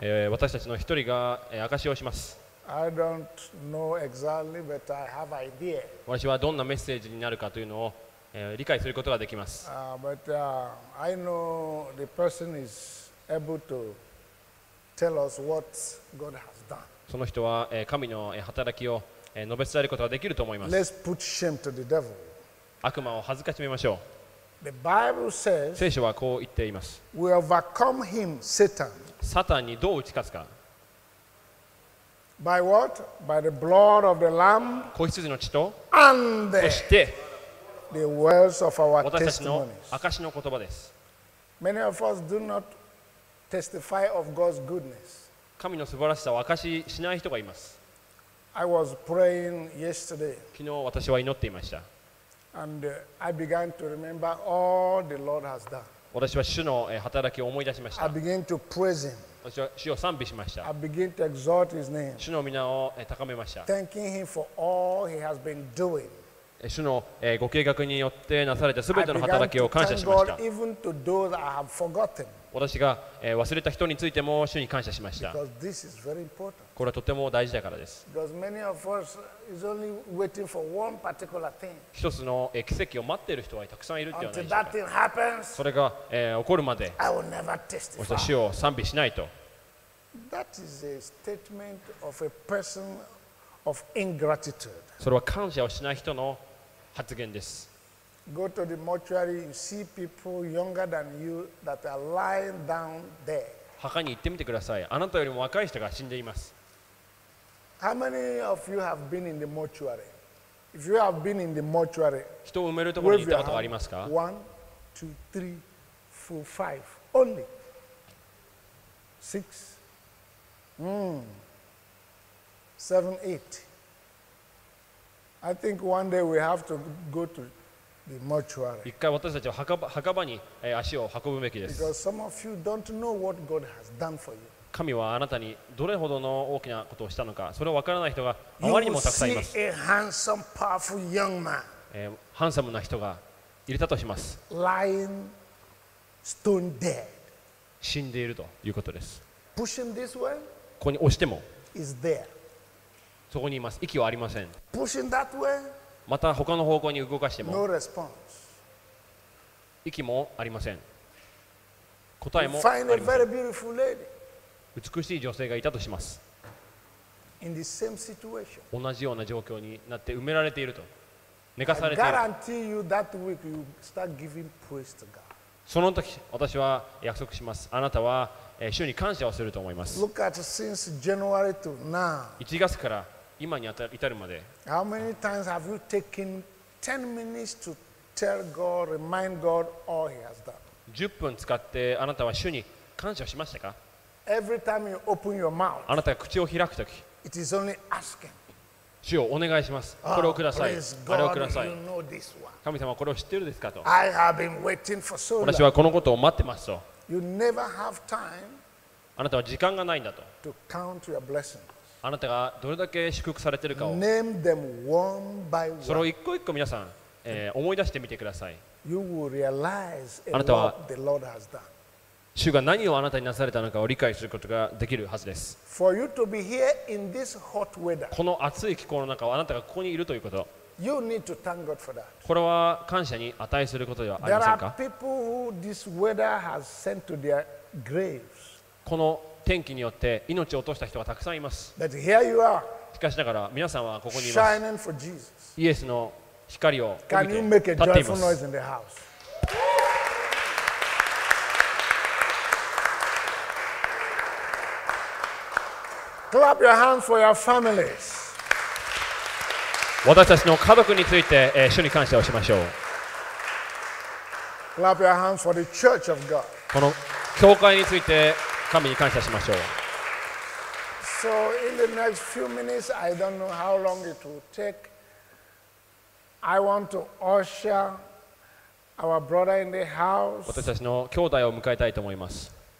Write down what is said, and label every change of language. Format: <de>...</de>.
<ja>私たちの一人が証しをします。</ja> <en>I don't know exactly, but I have idea.</en> <ja>私はどんなメッセージになるかというのを、理解することができます。</ja> <en>But, I know the person is able to tell us what God has done.</en> <ja>その人は、神の働きを、述べ伝えることができると思います。</ja> <en>Let's put shame to the devil.</en> <ja>悪魔を恥ずかしめましょう。</ja> <en>The Bible says,</en> <ja>聖書はこう言っています。</ja> <en>We overcome him, Satan.</en> <ja>サタンにどう打ち勝つか。</ja> <en>By what? By the blood of the Lamb.</en> <ja>子羊の血と。</ja> <en>And the,</en> <ja>そして。</ja> <en>The words of our testimonies.</en> <ja>私たちの証の言葉です。</ja> <en>Many of us do not testify of God's goodness.</en> <ja>神の素晴らしさを証ししない人がいます。</ja> <en>I was praying yesterday.</en> <ja>昨日私は祈っていました。</ja> <en>And I began to remember all the Lord has done.</en> <ja>私は主の働きを思い出しました。</ja> <en>I began to praise Him.</en> <ja>私は主を賛美しました。</ja> <en>I began to exalt His name.</en> <ja>主の名を高めました。</ja> <en>Thanking Him for all He has been doing.</en> <ja>主のご計画によってなされたすべての働きを感謝しました。</ja> <en>Even to those I have forgotten.</en> <ja>私が忘れた人についても主に感謝しました。</ja> <en>Because this is very important.</en> <ja>これはとても大事だからです。</ja> <en>Because many of us is only waiting for one particular thing.</en> <ja>一つの奇跡を待っている人はたくさんいるではないでしょうか。</ja> <en>Until that thing happens,</en> <ja>それが起こるまで、</ja> <en>I will never testify.</en> <ja>私は主を賛美しないと。</ja> <en>That is a statement of a person of ingratitude.</en> <ja>それは感謝をしない人の発言です。</ja> <en>Go to the mortuary, you see people younger than you that are lying down there.</en> <ja>墓に行ってみてください。あなたよりも若い人が死んでいます。</ja> <en>How many of you have been in the mortuary? If you have been in the mortuary,</en> <ja>人を埋めるところに行ったことがありますか？</ja> <en>1, 2, 3, 4, 5, only. 6, 7, 8. I think one day we have to go to the mortuary.</en> <ja>一回私たちは墓場に足を運ぶべきです。</ja> <en>Because some of you don't know what God has done for you.</en> <ja>神はあなたにどれほどの大きなことをしたのか、それを分からない人があまりにもたくさんいます。</ja> <en>You will see a handsome, powerful young man.</en> <ja>ハンサムな人がいたとします。</ja> <en>Lying stone dead.</en> <ja>死んでいるということです。</ja> <en>Pushing this way.</en> <ja>ここに押しても。</ja> <en>Is there.</en> <ja>そこにいます。息はありません。</ja> <en>Pushing that way,</en> <ja>また他の方向に動かしても、</ja> <en>no、response.</en> <ja>息もありません。答えもありません。</ja> <en>Find a very beautiful lady.</en> <ja>美しい女性がいたとします。</ja> <en>In the same situation.</en> <ja>同じような状況になって埋められていると。寝かされている。</ja> <en>I guarantee you that week you start giving praise to God.</en> <ja>その時、私は約束します。あなたは主に感謝をすると思います。</ja> <en>Look at since January to now.</en> <ja>1月から今に至るまで。</ja> <en>How many times have you taken 10 minutes to tell God, remind God all He has done?</en> <ja>10分使ってあなたは主に感謝しましたか？</ja> <en>Every time you open your mouth,</en> <ja>あなたが口を開くとき、</ja> <en>it is only asking.</en> <ja>主をお願いします。これをください。あれをください。</ja> <en>You know this one.</en> <ja>神様、これを知っているですかと。</ja> <en>I have been waiting for so long.</en> <ja>私はこのことを待ってますと。</ja> <en>You never have time.</en> <ja>あなたは時間がないんだと。</ja> <en>To count your blessings.</en> <ja>あなたがどれだけ祝福されているかを、</ja> <en>Name them one by one.</en> <ja>それを一個一個皆さん、思い出してみてください。</ja> <en>You will realize</en> <ja>あなたは</ja> <en>the Lord has done.</en> <ja>主が何をあなたになされたのかを理解することができるはずです。</ja> <en>For you to be here in this hot weather,</en> <ja>この暑い気候の中をあなたがここにいるということ、</ja> <en>you need to thank God for that.</en> <ja>これは感謝に値することではありませんか。</ja> <en>There are people who this weather has sent to their graves.</en> <ja>この天気によって命を落とした人がたくさんいます。</ja> <en>But here you are.</en> <ja>しかしながら皆さんはここにいます。</ja> <en>Shining for Jesus.</en> <ja>イエスの光を帯びて立っています。</ja> <en>joyful noise in the house? Clap your hands for your families.</en> <ja>私たちの家族について、主に感謝をしましょう。</ja> <en>Clap your hands for the church of God.</en> <ja>この教会について神に感謝しましょう。</ja> <en>So in the next few minutes, I don't know how long it will take. I want to usher our brother in the house.</en> <ja>私たちの兄弟を迎えたいと思います。</ja>